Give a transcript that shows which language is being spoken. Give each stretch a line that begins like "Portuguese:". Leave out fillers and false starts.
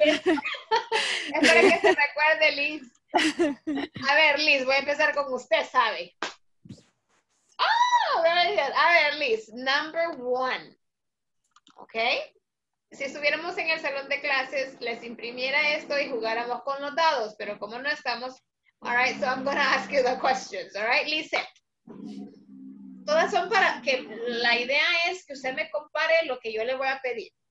Spanish: Es para que se recuerde, Liz. A ver, Liz, voy a empezar con usted, ¿sabe? Ah, gracias. A ver, Liz,
English: number one.
Spanish: Ok. Si estuviéramos en el salón de clases, les imprimiera esto y jugáramos con los dados, pero como no estamos.
English: All right, so I'm going to ask you the questions. All right, Liz.
Spanish: Todas son para que la idea es que usted me compare lo que yo le voy a pedir.